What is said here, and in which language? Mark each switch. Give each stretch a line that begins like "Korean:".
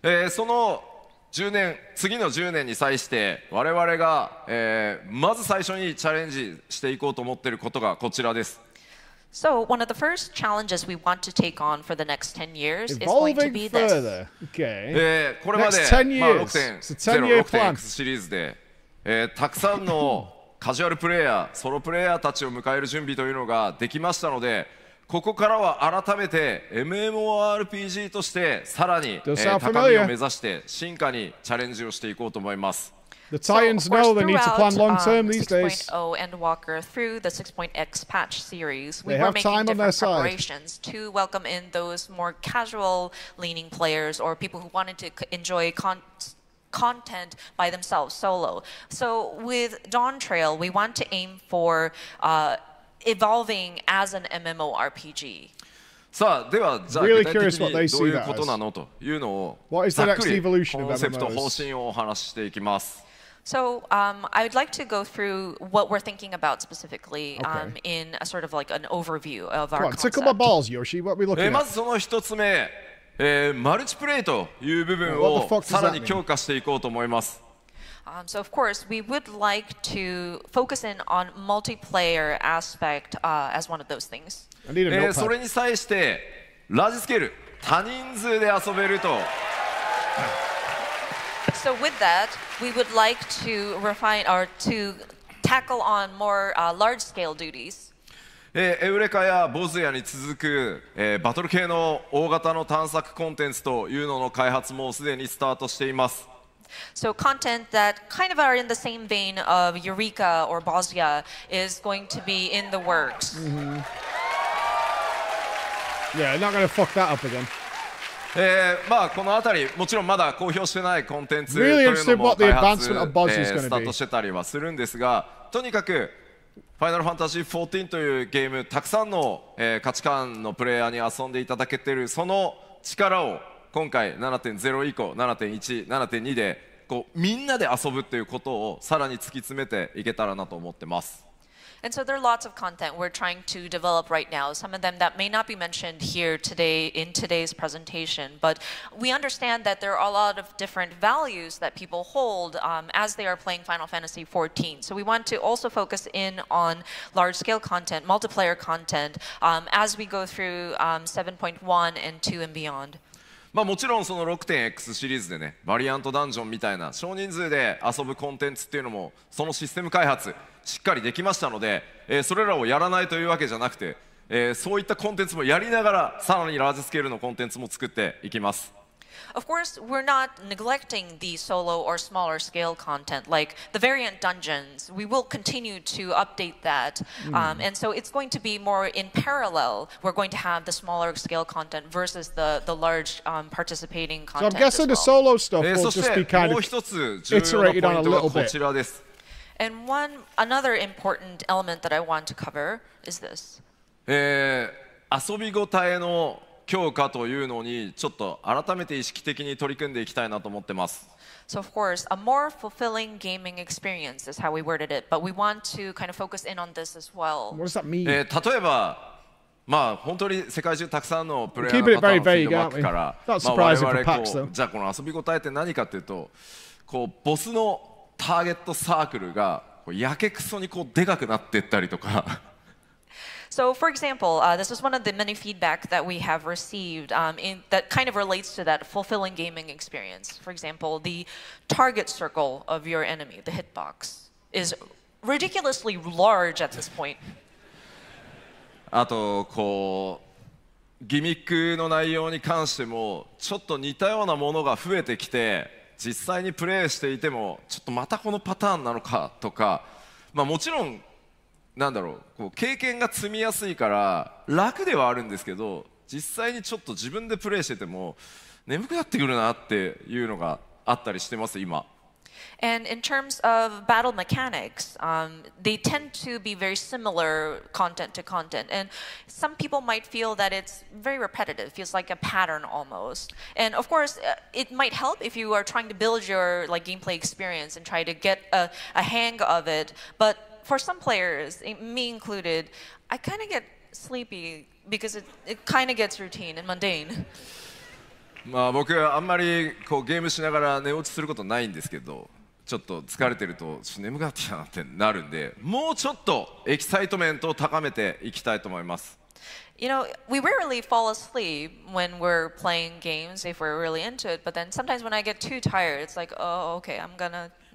Japanese: その10年、次の10年に際して我々が、まず最初にチャレンジしていこうと思っていることがこちらです。
English: So, one of the first challenges we want to take on for the next 10 years is going to be this. Evolving further. Okay.
Japanese: これまで、6.0、6.X シリーズで、たくさんのカジュアルプレイヤー、ソロプレイヤーたちを迎える準備というのができましたので、ここからは改めて MMORPG としてさらに高みを目指して進化にチャレンジをしていこうと思います。
English: The Titans know they need to plan long term these days. 6.0 Endwalker through the 6.X patch series, we were making different preparations to welcome in those more casual leaning players or people who wanted to enjoy content by themselves solo. So with Dawntrail, we want to aim for evolving as an MMORPG.
Japanese: さあ、では、じゃあ具体的にどういうことなのというのをざっくりコンセプト方針をお話ししていきます。
English: So I would like to go through what we're thinking about specifically in a sort of like an overview of our concept. Tickle my balls, Yoshi. What are we looking at?
Japanese: まずその一つ目、マルチプレイという部分をさらに強化していこうと思います。
English: So of course, we would like to focus in on multiplayer aspect as one of those things.
Japanese: それに際して、ラージスケール、多人数で遊べると。
English: So with that, we would like to refine or to tackle on more large scale duties.
Japanese: エウレカやボズヤに続く、バトル系の大型の探索コンテンツというのの開発もすでにスタートしています。
English: So content that kind of are in the same vein of Eureka or Bosia is going to be in the works. Mm-hmm. Yeah, not gonna fuck that up again.
Japanese: まあこのあたりもちろんまだ公表してないコンテンツというのも開発、スタートしてたりはするんですが、とにかくファイナルファンタジー14というゲームたくさんの、価値観のプレイヤーに遊んでいただけているその力を今回 7.0 以降 7.1、7.2 でこうみんなで遊ぶということをさらに突き詰めていけたらなと思ってます。
English: And so there are lots of content we're trying to develop right now. Some of them that may not be mentioned here today in today's presentation, but we understand that there are a lot of different values that people hold as they are playing Final Fantasy XIV. So we want to also focus in on large-scale content, multiplayer content, as we go through 7.1 and 2 and beyond.
Japanese: まあもちろんその 6.x シリーズでね、バリアントダンジョンみたいな少人数で遊ぶコンテンツっていうのもそのシステム開発しっかりできましたので、それらをやらないというわけじゃなくて、そういったコンテンツもやりながらさらにラージスケールのコンテンツも作っていきます。
English: Of course, we're not neglecting the solo or smaller scale content, like the variant dungeons. We will continue to update that. And so it's going to be more in parallel. We're going to have the smaller scale content versus the large participating content. So I'm guessing the solo stuff will just be kind of iterated on a little bit. And another important element that I want to cover is this.
Japanese: 遊び応えの強化というのにちょっと改めて意識的に取り組んでいきたいなと思ってます。
English: So of course, a more fulfilling gaming experience is how we worded it, but we want to kind of focus in on this as well. What does that mean?
Japanese: 例えば、まあ本当に世界中たくさんのプレイヤーの方のフィードバックから、まあ我々こう、じゃあこの遊び応えって何かというと、こうボスのターゲットサークルがやけくそにこうでかくなってったりとか。
English: So, for example, this is one of the many feedback that we have received that kind of relates to that fulfilling gaming experience. For example, the target circle of your enemy, the hitbox, is ridiculously large at this point.
Japanese: あと、こう、ギミックの内容に関しても、ちょっと似たようなものが増えてきて、実際にプレイしていても、ちょっとまたこのパターンなのかとか、まあもちろん、なんだろう、こう経験が積みやすいから楽ではあるんですけど、実際にちょっと自分でプレイしてても眠くなってくるなっていうのがあったりしてます今。
English: And in terms of battle mechanics, they tend to be very similar content to content. And some people might feel that it's very repetitive, feels like a pattern almost. And of course, it might help if you are trying to build your like gameplay experience and try to get a hang of it, but for some players, me included, I kind of get sleepy because it kind of gets routine and mundane.
Japanese: まあ僕あんまりこうゲームしながら寝落ちすることないんですけど、ちょっと疲れてると眠くなってきたなってなるんで、もうちょっとエキサイトメントを高めていきたいと思います。
English: You know, we rarely fall asleep when we're playing games if we're really into it, but then sometimes when I get too tired, it's like, oh, okay, I'm gonna.